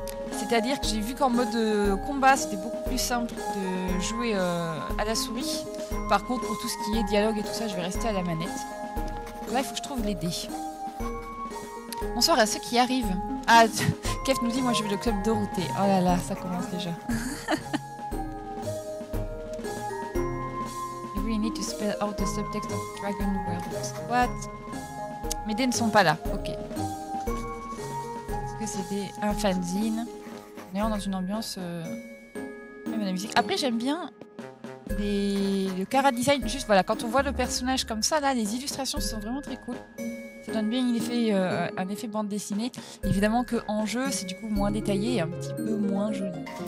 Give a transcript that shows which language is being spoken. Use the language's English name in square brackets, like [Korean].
[French] C'est-à-dire que j'ai vu qu'en mode combat, c'était beaucoup plus simple de jouer à la souris. Par contre, pour tout ce qui est dialogue et tout ça, je vais rester à la manette. Là, il faut que je trouve les dés. Bonsoir à ceux qui arrivent. Ah, Kef nous dit, moi je veux le club Dorothée. Oh là là, ça commence déjà. [English] You really need to spell out the subtext of Dragon World. What? [French] Mes dés ne sont pas là, ok. Est-ce que c'était un fanzine? On est dans une ambiance... même la musique. Après, j'aime bien... le chara-design, juste voilà, quand on voit le personnage comme ça, là, les illustrations sont vraiment très cool. Ça donne bien un effet bande dessinée. Évidemment que en jeu, c'est du coup moins détaillé et un petit peu moins joli.